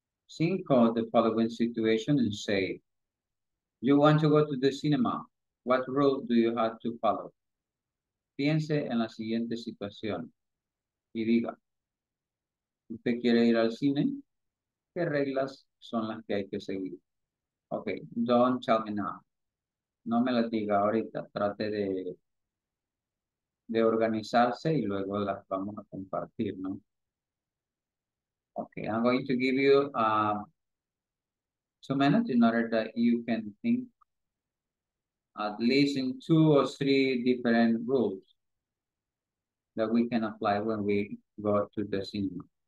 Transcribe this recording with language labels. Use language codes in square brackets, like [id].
[en] Think of the following situation and say, you want to go to the cinema. What rule do you have to follow? [es] Piense en la siguiente situación y diga, ¿usted quiere ir al cine? ¿Qué reglas son las que hay que seguir? [en] Okay, don't tell me now. [es] No me las diga ahorita. Trate de organizarse y luego las vamos a compartir, ¿no? [en] Okay, I'm going to give you 2 minutes in order that you can think at least in 2 or 3 different rules that we can apply when we go to the cinema.